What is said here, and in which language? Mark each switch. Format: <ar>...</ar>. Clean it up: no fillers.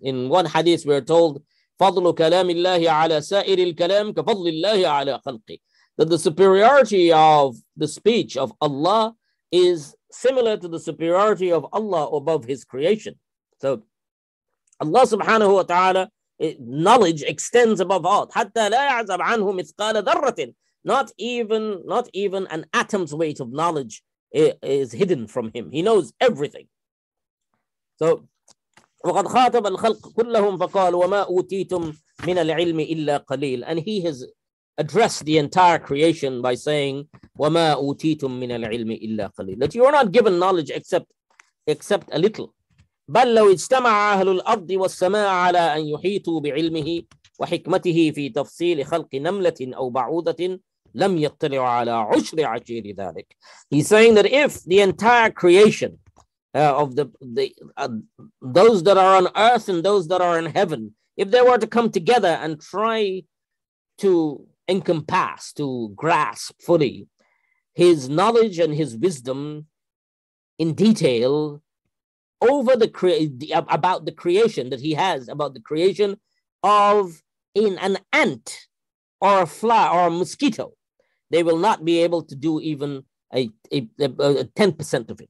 <en>In one hadith, we are told,</en> <ar>فَضْلُ كَلَامِ اللَّهِ عَلَى سَائِرِ الْكَلَامِ كَفَضْلِ اللَّهِ عَلَى خَلْقِ.</ar> <en>That the superiority of the speech of Allah is similar to the superiority of Allah above His creation. So Allah subhanahu wa ta'ala, knowledge extends above all.</en> <ar>حَتَّى لَا يَعْزَبْ عَنْهُ مِثْقَالَ ذَرَّةٍ.</ar> <en>Not even an atom's weight of knowledge is hidden from him. He knows everything. So,</en> <ar>وَقَدْ خَاتَبَ الْخَلْقُ كُلَّهُمْ فَقَالُ وَمَا أُوتِيتُمْ مِنَ الْعِلْمِ إِلَّا قَلِيلٌ.</ar> <en>And he has addressed the entire creation by saying,</en> <ar>وَمَا أُوتِيتُمْ مِنَ الْعِلْمِ إِلَّا قَلِيلٌ.</ar> <en>That you are not given knowledge except a little.</en> <ar>بَلْ لَوْ اجْتَمَعَ أَهْلُ الْأَرْضِ وَالسَّمَاءِ عَلَىٰ أَنْ يُحِيطُوا بِعِلْمِهِ وَحِكْمَتِهِ فِي تَفْصِيلِ خَلْقِ نَمْلَةٍ أَوْ بَعُوضَةٍ لَمْ يَطْلِعُ عَلَىٰ عُشْرِ عَشِيرِ ذَلِكَ.</ar> <en>He's saying that if the entire creation of those that are on earth and those that are in heaven, if they were to come together and try to encompass, to grasp fully his knowledge and his wisdom in detail over about the creation that he has, about the creation of in an ant or a fly or a mosquito, they will not be able to do even a 10% of it.</en>